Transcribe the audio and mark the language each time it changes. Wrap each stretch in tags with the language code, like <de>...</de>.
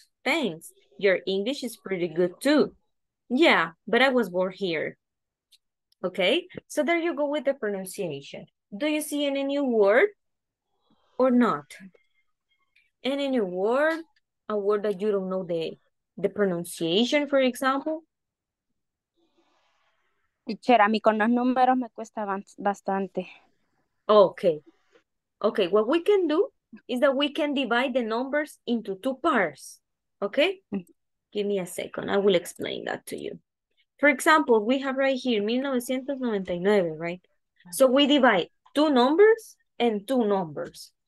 <en>Thanks, your English is pretty good too. Yeah, but I was born here. Okay, so there you go with the pronunciation. Do you see any new word or not? Any new word? A word that you don't know the pronunciation, for example?</en> <es>Teacher, a mí con los números me cuesta bastante.</es> <en>Okay. Okay, what we can do is that we can divide the numbers into two parts. Okay? Give me a second. I will explain that to you. For example, we have right here 1999, right? So we divide two numbers and two numbers.</en>